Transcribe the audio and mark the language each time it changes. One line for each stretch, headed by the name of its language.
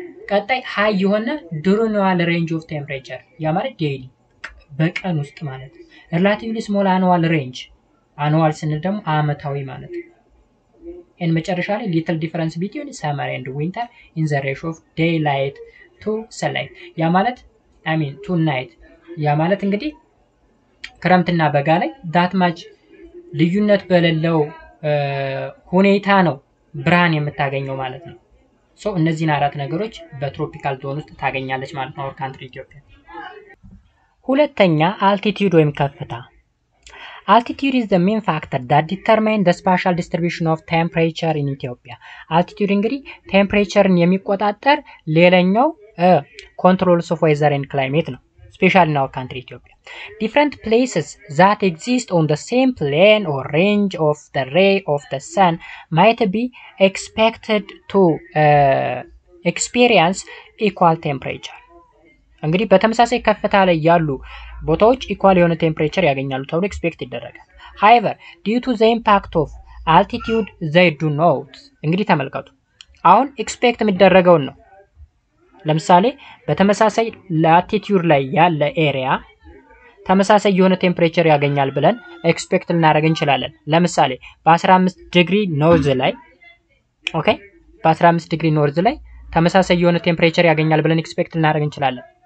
English: ቀጣይ high የሆነ diurnal range of temperature
Amharic: ያ ማለት daily በቀን ውስጥ ማለት relatively small annual range annual ስንል ደግሞ አመታዊ ማለት ነው and መጨረሻ ላይ little difference between summer and winter in the ratio of daylight to sunlight ያ ማለት to night ያ ማለት እንግዲህ ክረምትና በጋ ላይ that much ልዩነት በሌለው ሁኔታ ነው ብርሃን የምታገኘው ማለት ነው ሶ እነዚህን አራት ነገሮች በትሮፒካል ዞን ውስጥ ታገኛለች ማለት ነው ካንትሪ ኢትዮጵያ። ሁለተኛ አልቲቲዩድ ወይም ከፍታ።
English: Altitude is the main factor that determines the spatial distribution of temperature in Ethiopia. Altitude እንግዲህ temperature-ን
Amharic: የሚቆጣጠር ሌላኛው
English: control of weather and climate ነው especially in our country Ethiopia. Different places that exist on the same plane or range of the ray of the sun might be expected to experience equal temperature.
Amharic: እንግዲህ በተመሳሳይ ከፍታ ላይ ያሉ ቦታዎች ኢኳል የሆነ ቴምፕሬቸር ያገኛሉ ተብሎ ኤክስፔክት ይደረጋል።
English: However, due to the impact of altitude they do not.
Amharic: እንግዲህ ተመልከቱ። አሁን ኤክስፔክት የሚደረገው ነው። ለምሳሌ በተመሳሳይ ላቲቲዩድ ላይ ያለ ኤሪያ ተመሳሳይ የሆነ ቴምፕሬቸር ያገኛል ብለን ኤክስፔክት እናደርግ እንችላለን። ለምሳሌ በ15 ዲግሪ ኖርዝ ላይ ኦኬ በ15 ዲግሪ ኖርዝ ላይ ተመሳሳይ የሆነ ቴምፕሬቸር ያገኛል ብለን ኤክስፔክት እናደርግ እንችላለን።